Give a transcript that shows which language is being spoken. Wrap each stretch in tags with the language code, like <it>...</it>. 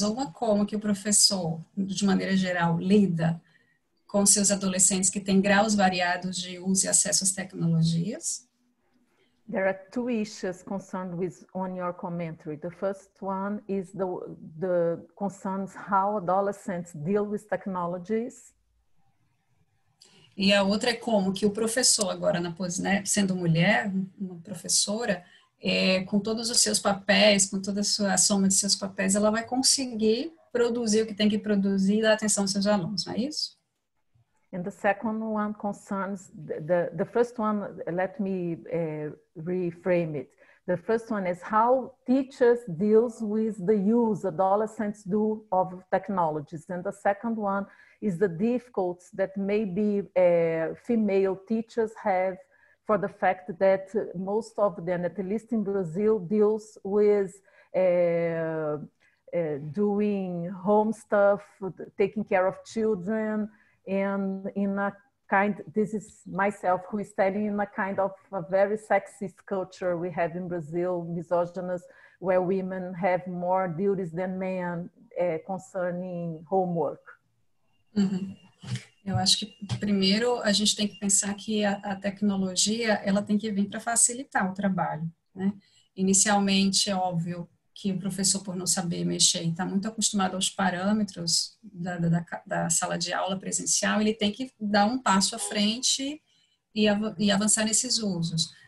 <pt>Uma, como que o professor, de maneira geral, lida com seus adolescentes que têm graus variados de uso e acesso às tecnologias?</pt> <en>There are two issues concerned with on your commentary. The first one is the concerns how adolescents deal with technologies.</en> <pt>E a outra é como que o professor agora, na posição, sendo mulher, uma professora, com todos os seus papéis, com toda a soma de seus papéis, ela vai conseguir produzir o que tem que produzir e dar atenção aos seus alunos, não é isso?</pt> <en>And the second one concerns, the first one, let me reframe it. The first one is how teachers deals with the use adolescents do of technologies. And the second one is the difficulties that maybe female teachers have for the fact that most of them, at least in Brazil, deals with doing home stuff, taking care of children, and in a kind, this is myself who is telling, in a kind of a very sexist culture we have in Brazil, misogynous, where women have more duties than men concerning homework. Uhum.</en> <pt>Eu acho que primeiro a gente tem que pensar que a tecnologia, ela tem que vir para facilitar o trabalho, né? Inicialmente é óbvio que o professor, por não saber mexer e tá muito acostumado aos parâmetros da sala de aula presencial, ele tem que dar um passo à frente e avançar nesses usos.</pt>